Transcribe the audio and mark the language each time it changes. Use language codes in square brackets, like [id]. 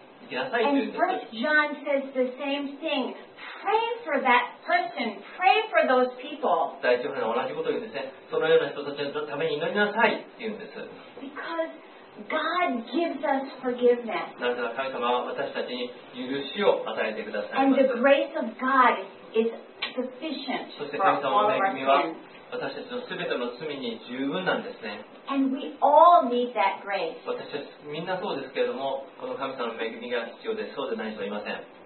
[en] And First John says the same thing. Pray for that person. Pray for those people. [ja] 第一話は同じことを言うんですね。そのような人たちのために祈りなさいって言うんです。 [en] Because God gives us forgiveness. [ja] なぜなら神様は私たちに許しを与えてくださいます。 [en] And the grace of God is sufficient for all our sins. [ja] そして神様の恵みは私たちのすべての罪に十分なんですね。 [en] And we all need that grace. [ja] 私たちみんなそうですけれども、この神様の恵みが必要です。そうでない人はいません。